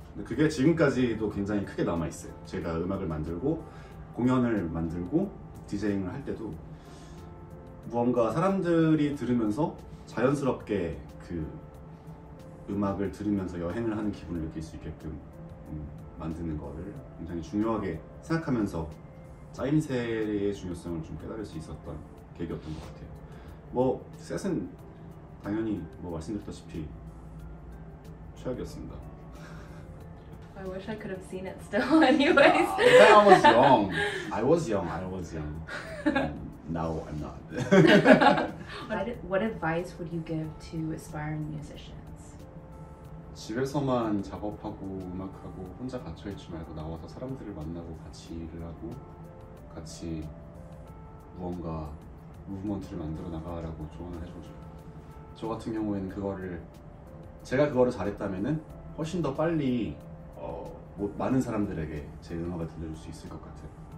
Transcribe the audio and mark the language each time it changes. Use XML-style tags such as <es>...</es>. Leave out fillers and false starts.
<ko>근데 그게 지금까지도 굉장히 크게 남아있어요. 제가 음악을 만들고 공연을 만들고 디제잉을 할 때도 무언가 사람들이 들으면서 자연스럽게 그 음악을 들으면서 여행을 하는 기분을 느낄 수 있게끔 만드는 거를 굉장히 중요하게 생각하면서 짜임새의 중요성을 좀 깨달을 수 있었던 계기였던 것 같아요. 뭐 셋은 당연히 뭐 말씀드렸다시피 최악이었습니다.</ko> <en>I wish I could have seen it still anyways. I was young. I was young. Now I'm not. what advice would you give to aspiring musicians?</en> <ko>집에서만 작업하고 음악하고 혼자 갇혀있지 말고 나와서 사람들을 만나고 같이 일을 하고 같이 무언가 무브먼트를 만들어 나가라고 조언을 해줘서 저 같은 경우에는 그거를 제가 그거를 잘했다면은 훨씬 더 빨리 많은 사람들에게 제 음악을 들려줄 수 있을 것 같아요.</ko>